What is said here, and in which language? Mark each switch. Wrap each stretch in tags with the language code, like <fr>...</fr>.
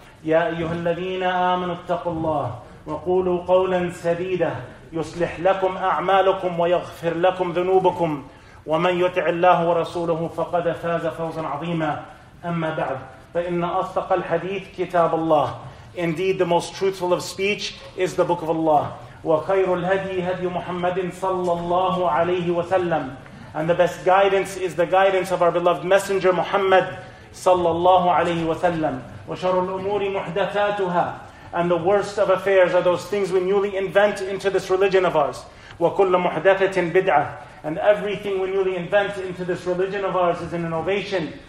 <ar>يا أيها الذين آمنوا اتقوا الله وقولوا قولا سديدا يصلح لكم أعمالكم ويغفر لكم ذنوبكم، ومن يطع الله ورسوله فقد فاز فوزا عظيما. أما بعد، فإن أصدق الحديث كتاب الله.</ar> <en>Indeed, the most truthful of speech is the book of Allah.</en> <ar>وخير الهدي هدي محمد صلى الله عليه وسلم.</ar> <en>And the best guidance is the guidance of our beloved messenger Muhammad صلى الله عليه وسلم.</en> <ar>وشر الأمور محدثاتها.</ar> <en>And the worst of affairs are those things we newly invent into this religion of ours.</en> <ar>وَكُلَّ مُحْدَثَةٍ بِدْعَةٍ</ar> <en>And everything we newly invent into this religion of ours is an innovation.</en>